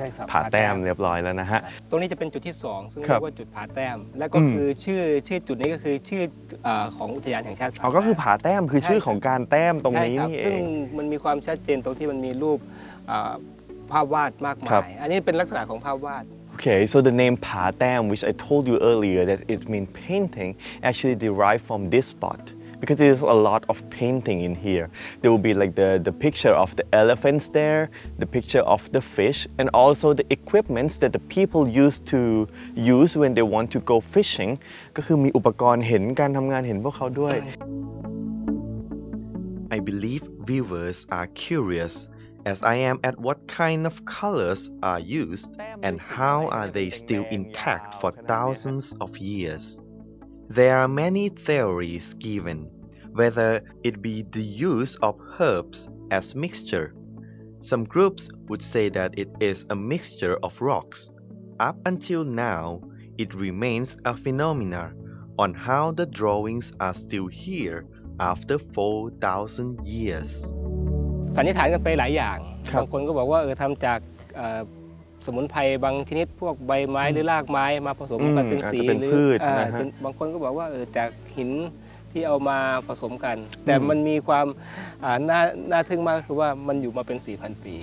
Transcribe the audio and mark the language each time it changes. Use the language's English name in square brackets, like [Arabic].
[Thai] Patam เรียบร้อยแล้วนะฮะ ตรงนี้จะเป็นจุดที่2ซึ่งเรียกว่าจุดPatam และก็คือชื่อจุดนี้ก็คือชื่อของอุทยานแห่งชาติ ก็คือPatam คือชื่อของการแต้มตรงนี้นี่เอง ซึ่งมันมีความชัดเจนตรงที่มันมีรูปภาพวาดมากมายอันนี้เป็นลักษณะของภาพวาด [English] Okay, so the name Patam, which I told you earlier that it means painting, actually derived from this spot. Because there's a lot of painting in here. There will be like the picture of the elephants there, the picture of the fish, and also the equipments that the people used to use when they want to go fishing. [Thai] ก็คือมีอุปกรณ์เห็นการทำงานเห็นพวกเขาด้วย [English] I believe viewers are curious as I am at what kind of colors are used and how are they still intact for thousands of years. There are many theories given, whether it be the use of herbs as mixture. Some groups would say that it is a mixture of rocks. Up until now, it remains a phenomenon on how the drawings are still here after 4,000 years. [Thai] สันนิษฐานกันไปหลายอย่างบางคนก็บอกว่าทำจากสมุนไพรบางชนิดพวกใบไม้หรือรากไม้มาผสมกันเป็นสี หรือ บางคนก็บอกว่าจากหินที่เอามาผสมกันแต่มันมีความน่าทึ่งมากคือว่ามันอยู่มาเป็น 4,000 ปี